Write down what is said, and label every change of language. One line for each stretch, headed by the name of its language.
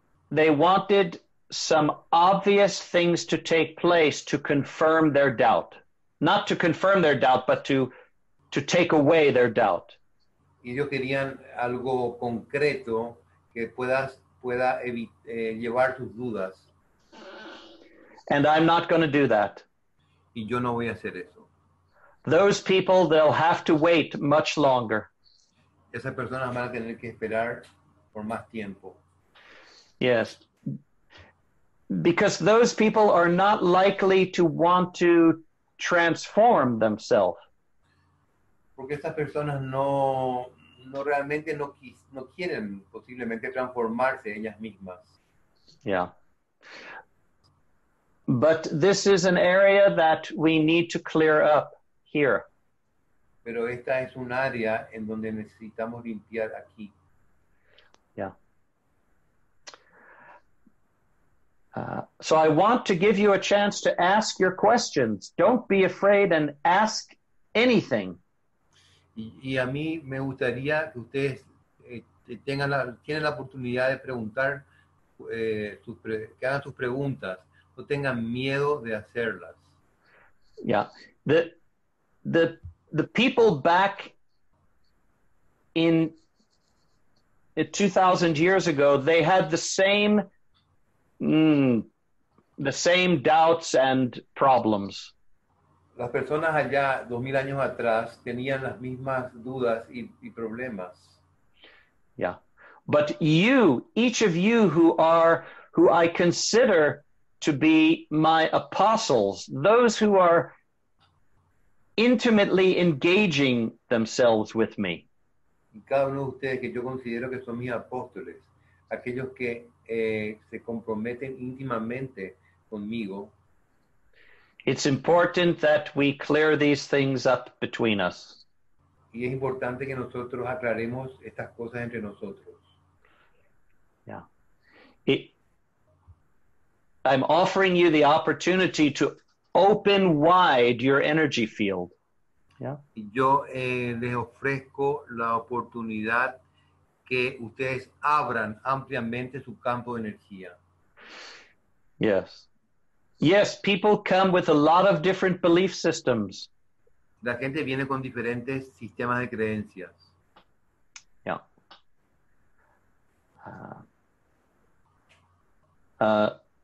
English: They wanted some obvious things to take place to confirm their doubt. Not to confirm their doubt, but to take away their doubt.
Spanish: Y ellos querían algo concreto que pueda llevar sus dudas.
English: And I'm not going to do that.
Spanish: Y yo no voy a hacer eso.
English: Those people, they'll have to wait much longer.
Spanish: Esas personas van a tener que esperar por más tiempo.
English: Yes. Because those people are not likely to want to transform themselves.
Spanish: Porque estas personas no quieren posiblemente transformarse ellas mismas.
English: Yeah. But this is an area that we need to clear up here.
Spanish: Pero esta es un área en donde necesitamos limpiar aquí.
English: Yeah. So I want to give you a chance to ask your questions. Don't be afraid and ask anything.
Spanish: Y a mí me gustaría que ustedes tengan la oportunidad de preguntar, que hagan sus preguntas. No tengan miedo de hacerlas.
English: Yeah. The people back in 2,000 years ago, they had the same doubts and problems.
Spanish: Las personas allá 2,000 años atrás tenían las mismas dudas y problemas.
English: Yeah. But you, each of you who I consider to be my apostles, those who are intimately engaging themselves with me.
Spanish: Cada uno de ustedes que yo considero que son mis apóstoles, aquellos que se comprometen íntimamente conmigo.
English: It's important that we clear these things up between us.
Spanish: Y es importante que nosotros aclaremos estas cosas entre nosotros.
English: Yeah. I'm offering you the opportunity to open wide your energy field. Yeah.
Spanish: Y yo les ofrezco la oportunidad que ustedes abran ampliamente su campo de energía.
English: Yes. Yes, people come with a lot of different belief systems.
Spanish: La gente viene con diferentes sistemas de creencias.
English: Yeah.